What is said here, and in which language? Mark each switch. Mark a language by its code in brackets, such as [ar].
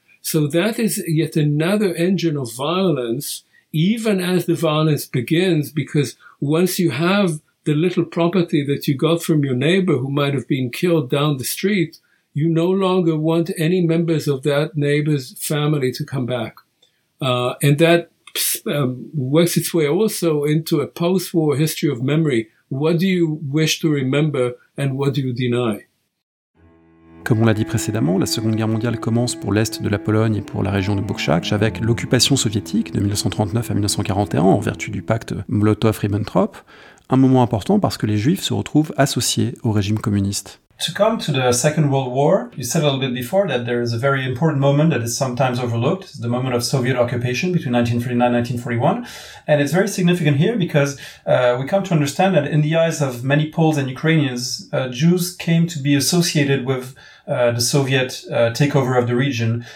[en] So that is yet another engine of violence, even as the violence begins, because once you have the little property that you got from your neighbor who might have been killed down the street, you no longer want any members of that neighbor's family to come back. And that works its way also into a post-war history of memory. What do you wish to remember and what do you deny? [fr] Comme on l'a dit précédemment, la Seconde Guerre mondiale commence pour l'Est de la Pologne et pour la région de Buchach avec l'occupation soviétique de 1939 à 1941 en vertu du pacte Molotov-Ribbentrop, un moment important parce que les Juifs se retrouvent associés au régime communiste. [en] To come to the Second World War, you said a little bit before that there is a very important moment that is sometimes overlooked, the moment of Soviet occupation between 1939 and 1941. And it's very significant here because we come to understand that in the eyes of many Poles and Ukrainians, Jews came to be associated with the Soviet takeover of the region.